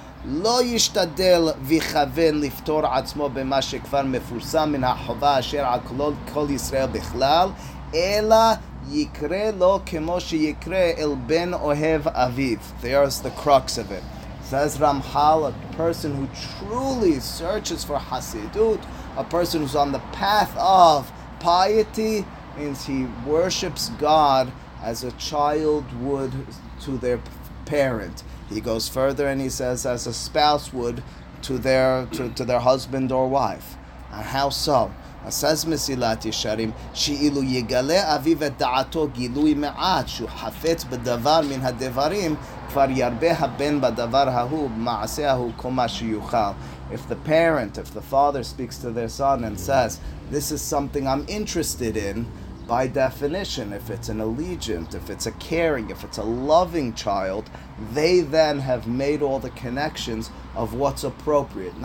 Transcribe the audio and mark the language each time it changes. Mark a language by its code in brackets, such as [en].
[he] לא ישתדל ויכוון לפתור עצמו במה שכבר מפורסם מן החובה אשר על כל ישראל בכלל, אלא יקרה לו כמו שיקרה אל בן אוהב אביו. [en] There's the crux of it. Says Ramchal, a person who truly searches for Hasidut, a person who's on the path of piety, means he worships God as a child would to their parent. He goes further and he says, as a spouse would to their husband or wife. And how so? Says Mesilat Yesharim, [he] שאילו יגלה אביו את דעתו גילוי מעט, שהוא חפץ בדבר מן הדברים, כבר ירבה הבן בדבר ההוא, במעשה ההוא, כל מה שיוכל. [en] If the parent, if the father speaks to their son and says, this is something I'm interested in, by definition, if it's an allegiant, if it's a caring, if it's a loving child, they then have made all the connections of what's appropriate.